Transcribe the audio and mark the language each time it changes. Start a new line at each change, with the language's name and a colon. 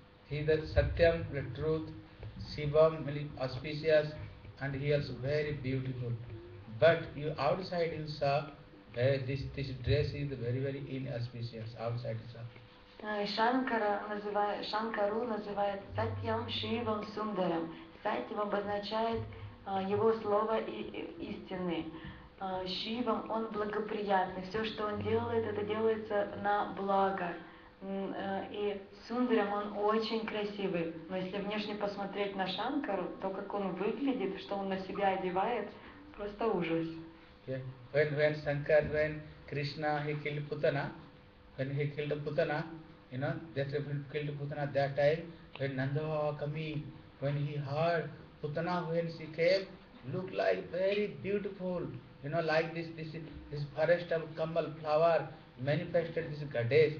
English: He the Satyam, the truth, Sivam, really auspicious, and he also very beautiful. But you outside you saw, this dress is very, very inauspicious, outside you saw.
Russian: Шанкару называют Satyam, Sivam, Sundaram. Satyam обозначает его слово и истины. Шивам, он благоприятный. Все, что он делает, это делается на благо. И Сундарам, он очень красивый. Но если внешне посмотреть на Шанкару, то как он выглядит, что он на себя одевает, просто ужас.
English: Yeah. When Shankar, when Krishna, he killed Putana, when he killed Putana, you know, that when he killed Putana that time, when Nandava came, when he heard Putana, when she came, looked like very beautiful. You know, like this forest of Kamal flower manifested this goddess.